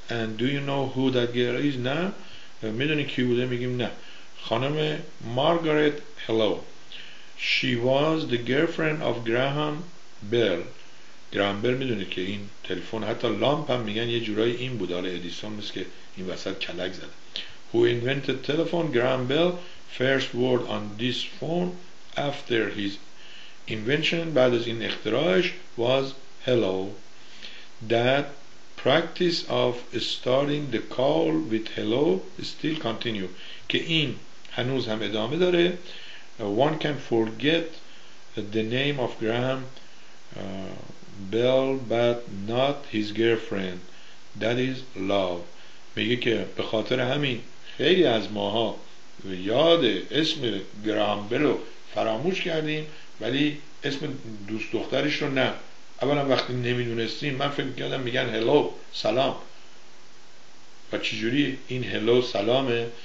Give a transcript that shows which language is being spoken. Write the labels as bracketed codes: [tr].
[en] And do you know who that girl is؟ [fa] نه. میدونید کی بوده؟ میگیم نه. [en] خانم مارگارت هلو، she was the girlfriend of Graham Bell. [fa] گراهام بل میدونید که این تلفن، حتی لامپ هم میگن یه جورایی این بود، آره ادیسون مثل که این وسط کلک زد. [en] Who invented telephone؟ Graham Bell. First word on this phone after his invention، [fa] بعد از این اختراعش، [en] was hello. That practice of starting the call with hello still continue، [fa] که این هنوز هم ادامه داره. [en] One can forget the name of Graham Bell but not his girlfriend، that is love. [fa] میگه که به خاطر همین خیلی از ماها یاد اسم گراهام بل رو فراموش کردیم، ولی اسم دوست دخترش رو نه. اولا وقتی نمیدونستیم، من فکر میکردم میگن هلو سلام، و چجوری این هلو سلامه.